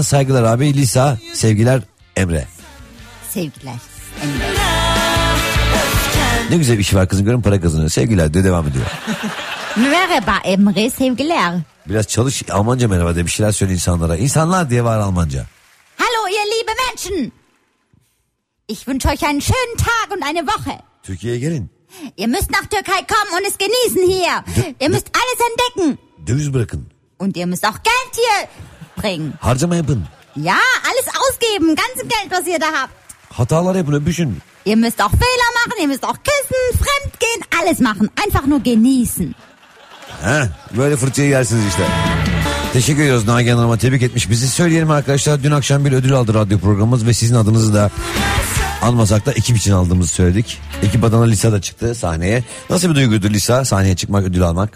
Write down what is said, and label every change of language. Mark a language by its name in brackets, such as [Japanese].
[Turkish] Saygılar abi Lisa. Sevgiler Emre. Sevgiler Emre. Ne güzel bir işi var kızım görün para kazanıyor. Sevgiler diye devam ediyor. Merhaba Emre sevgiler. Biraz çalış Almanca merhaba diye bir şeyler söyle insanlara. İnsanlar diye var Almanca. [German] Hallo ihr liebe Menschen. Ich wünsche euch einen schönen Tag und eine Woche. [Turkish] Türkiye'ye gelin. [German] Ihr müsst nach Türkei kommen und es genießen hier. Ihr müsst alles entdecken. [Turkish] Döviz bırakın. [German] Und ihr müsst auch Geld hier bringen. [Turkish] Harcama yapın. [German] Ja, alles ausgeben. Ganzes Geld, was ihr da habt. [Turkish] Hatalar yapın, öpüşün. [German] Ihr müsst auch Fehler machen, ihr müsst auch küssen, fremdgehen, alles machen. Einfach nur genießen. [Turkish] Ha, böyle fırçayı yersiniz işte. Teşekkür ediyoruz Nagihan Hanım'a, tebrik etmiş bizi. Söyleyelim arkadaşlar, dün akşam bir ödül aldı radyo programımız ve sizin adınızı da anmasak da ekip için aldığımızı söyledik. Ekip adına Lisa da çıktı sahneye. Nasıl bir duygudur Lisa, sahneye çıkmak, ödül almak?